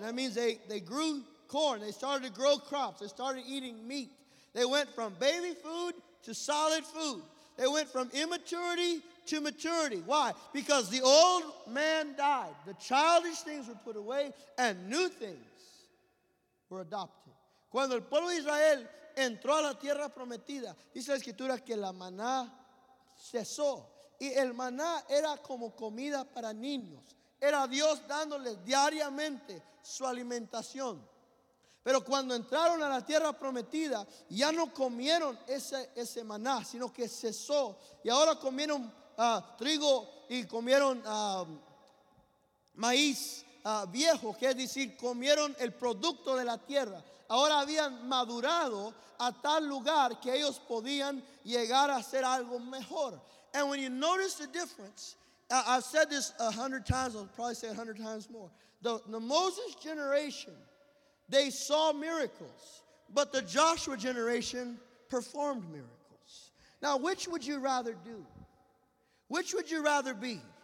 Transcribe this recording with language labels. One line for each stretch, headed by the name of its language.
English: That means they grew corn. They started to grow crops. They started eating meat. They went from baby food to solid food. They went from immaturity to maturity. Why? Because the old man died. The childish things were put away and new things were adopted.
Spanish: Cuando el pueblo de Israel entró a la tierra prometida, dice la escritura que la maná cesó. Y el maná era como comida para niños. Era Dios dándoles diariamente su alimentación. Pero cuando entraron a la tierra prometida, ya no comieron ese maná, sino que cesó. Y ahora comieron trigo y comieron maíz viejo, que es decir, comieron el producto de la tierra. Ahora habían madurado a tal lugar que ellos podían llegar a hacer algo mejor.
English: And when you notice the difference, I've said this 100 times, I'll probably say 100 times more. The Moses generation, they saw miracles, but the Joshua generation performed miracles. Now, which would you rather do? Which would you rather be?